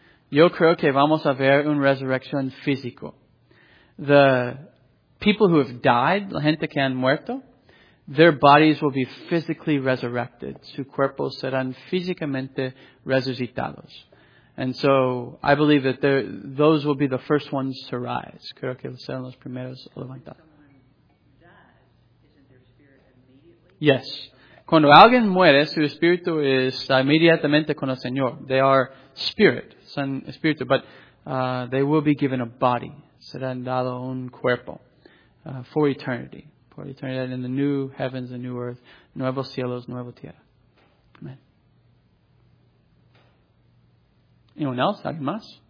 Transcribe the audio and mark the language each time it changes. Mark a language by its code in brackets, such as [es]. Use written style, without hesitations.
[es] Yo creo que vamos a ver una resurrección físico. [en] The people who have died, [es] la gente que han muerto, [en] their bodies will be physically resurrected. [es] Su cuerpo serán físicamente resucitados. [en] And so, I believe that those will be the first ones to rise. [es] Creo que serán los primeros a levantar. [en] Yes. [es] Cuando alguien muere, su espíritu está inmediatamente con el Señor. [en] They are spirit, [es] son espíritu, [en] but they will be given a body. [es] Serán dado un cuerpo [en] for eternity. For eternity in the new heavens and new earth. [es] Nuevos cielos, nueva tierra. [en] Amen. Anyone else? [es] Alguien más?